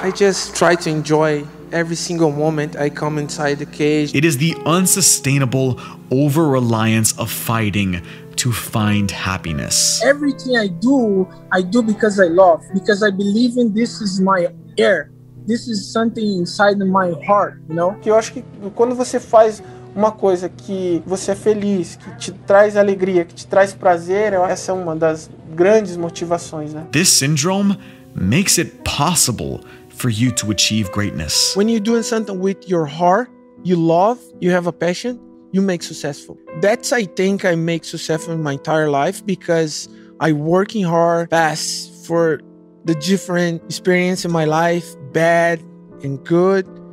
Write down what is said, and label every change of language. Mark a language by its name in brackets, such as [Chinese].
[English] I just try to enjoy every single moment I come inside the cage. It is the unsustainable over-reliance of fighting to find happiness. Everything I do because I love, because I believe in this is my air. This is something inside my heart, you know? [Portuguese] Eu acho que quando você faz uma coisa que você é feliz, que te traz alegria, que te traz prazer, essa é uma das grandes motivações, né? [English] This syndrome makes it possible for you to achieve greatness. When you're doing something with your heart, you love, you have a passion, you make successful. That's, I think, I make successful in my entire life because I working hard, fast for the different experience in my life, bad and good.